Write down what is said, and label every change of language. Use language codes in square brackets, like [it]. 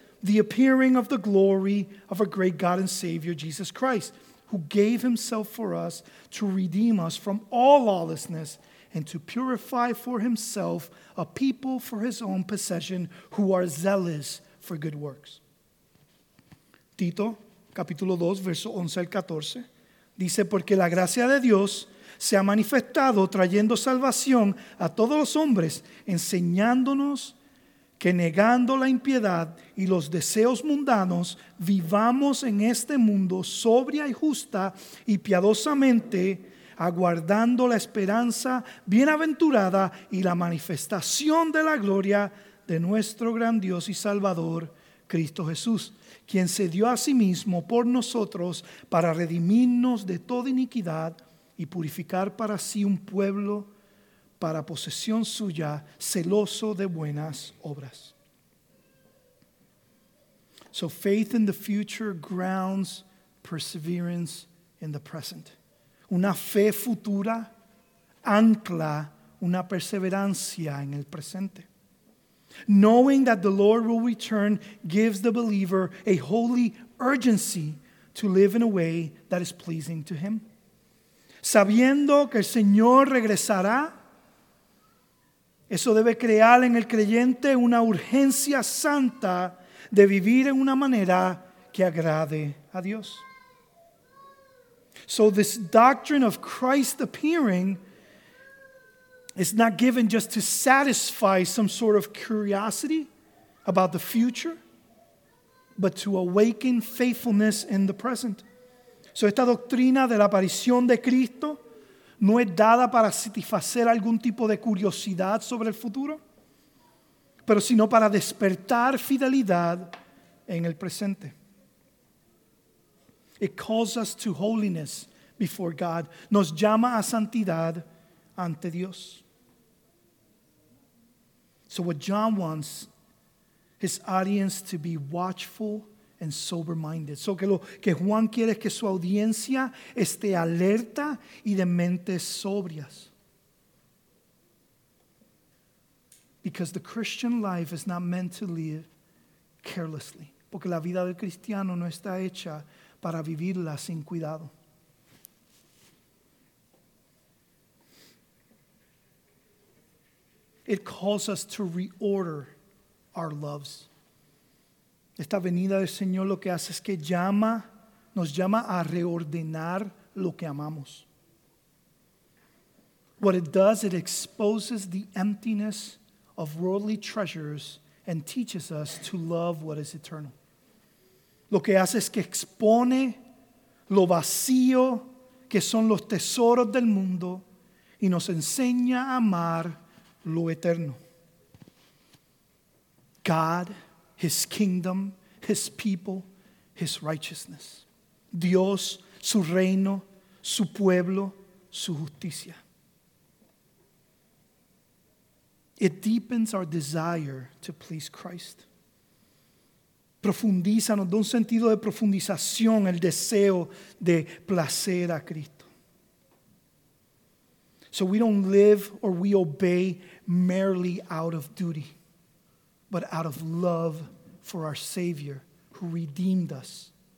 [en] the appearing of the glory of our great God and Savior, Jesus Christ, who gave himself for us to redeem us from all lawlessness and to purify for himself a people for his own possession who are zealous for good works. [es] Tito, capítulo 2, verso 11 al 14, dice, porque la gracia de Dios se ha manifestado trayendo salvación a todos los hombres, enseñándonos que negando la impiedad y los deseos mundanos, vivamos en este mundo sobria y justa y piadosamente, aguardando la esperanza bienaventurada y la manifestación de la gloria de nuestro gran Dios y Salvador, Cristo Jesús, quien se dio a sí mismo por nosotros para redimirnos de toda iniquidad y purificar para sí un pueblo para posesión suya, celoso de buenas obras. [en] So faith in the future grounds perseverance in the present. [es] Una fe futura ancla una perseverancia en el presente. [en] Knowing that the Lord will return gives the believer a holy urgency to live in a way that is pleasing to him. [es] Sabiendo que el Señor regresará, eso debe crear en el creyente una urgencia santa de vivir en una manera que agrade a Dios. [en] So this doctrine of Christ appearing is not given just to satisfy some sort of curiosity about the future, but to awaken faithfulness in the present. [es] So esta doctrina de la aparición de Cristo no es dada para satisfacer algún tipo de curiosidad sobre el futuro, pero sino para despertar fidelidad en el presente. [en] It calls us to holiness before God. [es] Nos llama a santidad ante Dios. [en] So what John wants his audience to be watchful and sober-minded. [es] So que lo que Juan quiere es que su audiencia esté alerta y de mentes sobrias. [en] Because the Christian life is not meant to live carelessly. [es] Porque la vida del cristiano no está hecha para vivirla sin cuidado. [en] It calls us to reorder our loves. [es] Esta venida del Señor lo que hace es que llama, nos llama a reordenar lo que amamos. [en] What it does, it exposes the emptiness of worldly treasures and teaches us to love what is eternal. [es] Lo que hace es que expone lo vacío que son los tesoros del mundo y nos enseña a amar lo eterno. [en] God, His kingdom, His people, His righteousness. [es] Dios, su reino, su pueblo, su justicia. [en] It deepens our desire to please Christ. [es] Profundiza, nos da un sentido de profundización, el deseo de placer a Cristo. [en] So we don't live or we obey merely out of duty, but out of love for our Savior who redeemed us.